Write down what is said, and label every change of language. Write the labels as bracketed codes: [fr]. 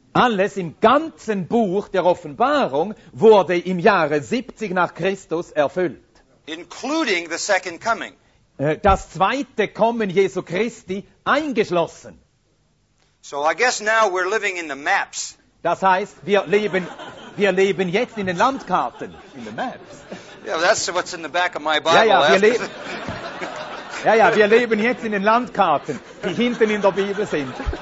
[de] Alles im ganzen Buch der Offenbarung wurde im Jahre 70 nach Christus erfüllt. [en] Including the second coming. [de] Das zweite Kommen Jesu Christi eingeschlossen. [en] So I guess now we're living in the maps. [de] Das heißt, wir leben jetzt in den Landkarten. [en] In the maps. Yeah, that's what's in the back of my Bible. [de] Ja, ja, wir leben jetzt in den Landkarten, die hinten in der Bibel sind.